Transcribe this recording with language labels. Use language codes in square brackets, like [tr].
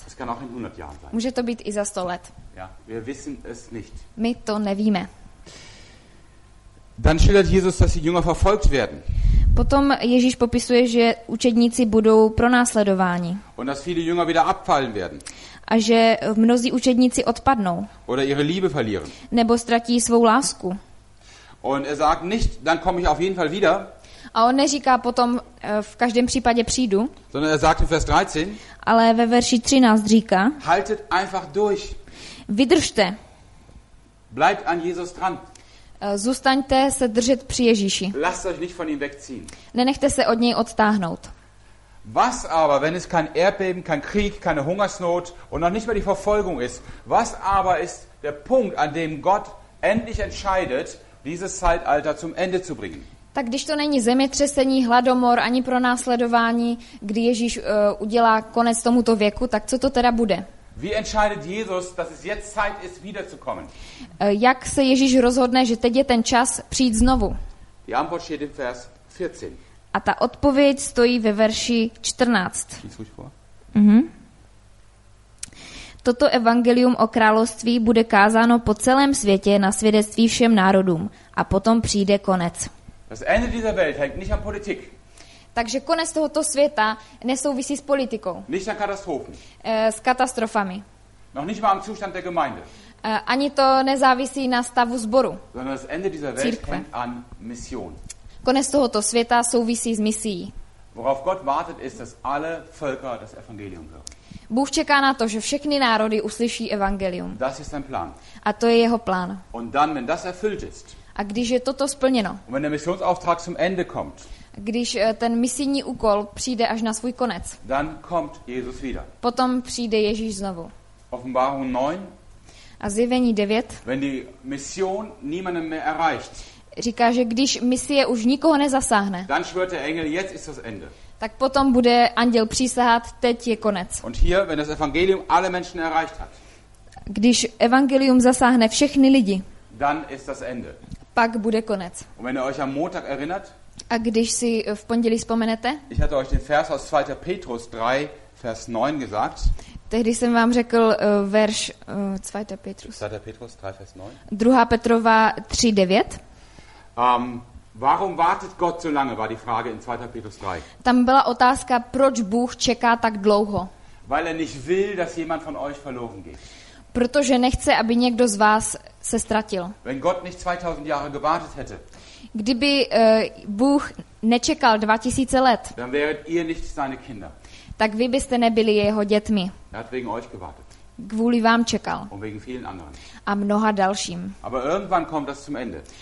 [de] Es kann auch in 100 Jahren sein. [cs] Může to být i za 100 let? [de] Ja, wir wissen es nicht. [cs] My to nevíme. [de] Dann schildert Jesus, dass die Jünger verfolgt werden. [cs] Potom Ježíš popisuje, že učedníci budou pronásledováni. [de] Und dass viele Jünger wieder abfallen werden. [cs] A že mnozí učedníci odpadnou. [de] Oder ihre Liebe verlieren. [cs] Nebo ztratí svou lásku. [de] Und er sagt nicht, dann komme ich auf jeden Fall wieder. [cs] A on neříká potom, v každém případě přijdu. [de] Sondern er sagt in Vers 13. [cs] Ale ve verši 13 říká. [de] Haltet einfach durch. [cs] Vydržte. [de] Bleibt an Jesus dran. [cs] Zůstaňte se držet při Ježíši. [de] Lasst euch nicht von ihm wegziehen. [cs] Nenechte se od něj odtáhnout. [de] Was aber, wenn es kein Erdbeben, kein Krieg, keine Hungersnot und noch nicht mehr die Verfolgung ist? Was aber ist der Punkt, an dem Gott endlich entscheidet, dieses Zeitalter zum Ende zu bringen? [cs] Tak když to není zemětřesení, hladomor ani pronásledování, kdy Ježíš udělá konec tomuto věku, tak co to teda bude? [de] Wie entscheidet Jesus, dass es jetzt Zeit ist, wiederzukommen? [cs] Jak se Ježíš rozhodne, že teď je ten čas přijít znovu? [de] Die Antwort steht im Vers 14. [cs] A ta odpověď stojí ve verši 14. Toto evangelium o království bude kázáno po celém světě na svědectví všem národům a potom přijde konec. [de] Das Ende dieser Welt hängt nicht an Politik. [cs] Takže konec tohoto světa nesouvisí s politikou. [de] Nicht an Katastrophen. [cs] S katastrofami. [de] Noch nicht mal am Zustand der Gemeinde. [cs] Ani to nezávisí na stavu sboru. [de] Sondern das Ende dieser Welt Církve. Hängt an Mission. [cs] Konec tohoto světa souvisí s misií. [de] Worauf Gott wartet ist, dass alle Völker das Evangelium hören. [cs] Bůh čeká na to, že všechny národy uslyší evangelium. [de] Das ist sein Plan. [cs] A to je jeho plán. [de] Und dann, wenn das erfüllt ist, [cs] a když je toto splněno, [de] und wenn der Missionsauftrag zum Ende kommt, [cs] když ten misijní úkol přijde až na svůj konec, [de] dann kommt Jesus wieder. [cs] Potom přijde Ježíš znovu. [de] Offenbarung 9, [cs] a zjevení 9, [de] wenn die Mission niemanden mehr erreicht, [cs] říká, že když misie už nikoho nezasáhne, [de] dann schwört der Engel, jetzt ist das Ende. [cs] Tak potom bude anděl přísahat, teď je konec. [de] Und hier, wenn das Evangelium alle Menschen erreicht hat, [cs] když evangelium zasáhne všechny lidi, [de] dann ist das Ende. [cs] Pak bude konec. [de] Und wenn ihr euch am Montag erinnert, [cs] a když si v pondělí vzpomenete, [de] ich hatte euch den Vers aus 2. Petrus 3, Vers 9 gesagt, [cs] tehdy jsem vám řekl verš 2. [de] Petrus. 2. Petrus 3, Vers 9. [cs] 2. Petrova 3, 9. [de] Warum wartet Gott so lange, war die Frage in 2. Petrus 3. [cs] Tam byla otázka, proč Bůh čeká tak dlouho. [de] Weil er nicht will, dass jemand von euch verloren geht. [cs] Protože nechce, aby někdo z vás se ztratil. [de] Wenn Gott nicht 2000 Jahre gewartet hätte, [cs] kdyby Bůh nečekal 2000 let, [de] dann wäret ihr nicht seine Kinder. [cs] Tak vy byste nebyli jeho dětmi. [de] Er hat wegen euch gewartet. [cs] Kvůli vám čekal. [de] Und wegen vielen anderen. [cs] A mnoha dalším. [de] Aber irgendwann kommt das zum Ende.